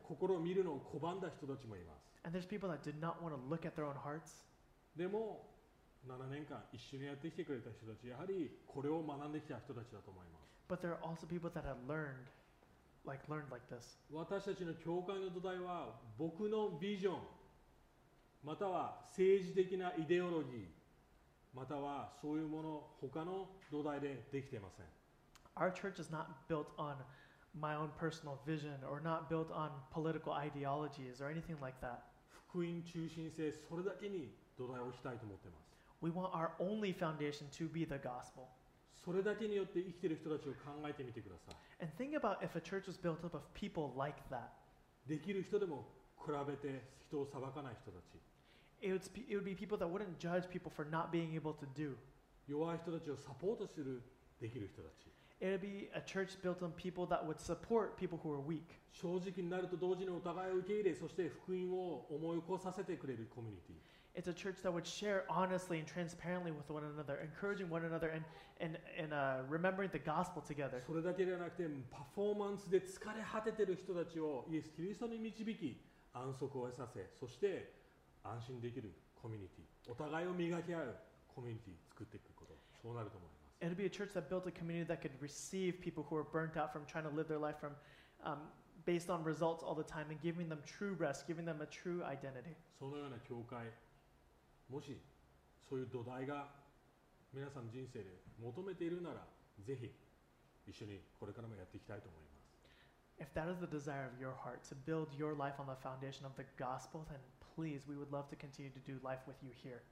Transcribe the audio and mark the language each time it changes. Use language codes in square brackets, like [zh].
[ja] 心を見るのを拒んだ人たちもいます。 [en] And there's people that did not want to look at their own hearts. [ja] でも、7年間一緒にやってきてくれた人たち、やはりこれを学んできた人たちだと思います。 [en] But there are also people that have learned like this. [ja] 私たちの教会の土台は僕のビジョン、または政治的なイデオロギー、またはそういうもの他の土台でできていません。 [en] Our church is not built on my own personal vision or not built on political ideologies or anything like that. [ja] 福音中心性それだけに土台を置きたいと思っています。 [en] We want our only foundation to be the gospel. [ja] それだけによって生きている人たちを考えてみてください。 [en] And think about if a church was built up of people like that. [ja] できる人でも比べて人を裁かない人たち。 [en] it would be people that wouldn't judge people for not being able to do. [ja] 弱い人たちをサポートする、できる人たち。 [en] It would be a church built on people that would support people who are weak. [ja] 正直になると同時にお互いを受け入れ、そして福音を思い起こさせてくれるコミュニティ。 [en] It's a church that would share honestly and transparently with one another, encouraging one another and remembering the gospel together. [ja] それだけではなくて、パフォーマンスで疲れ果ててる人たちをイエス・キリストに導き、安息を得させ、そして安心できるコミュニティ、お互いを磨き合うコミュニティ作っていくこと、そうなると思います。 [en] It'll be a church that built a community that could receive people who are burnt out from trying to live their life from based on results all the time and giving them true rest, giving them a true identity. [ja] そのような教会、もしそういう土台が皆さん人生で求めているなら、ぜひ一緒にこれからもやっていきたいと思います。 [en] If that is the desire of your heart to build your life on the foundation of the gospel, then please, we would love to continue to do life with you here.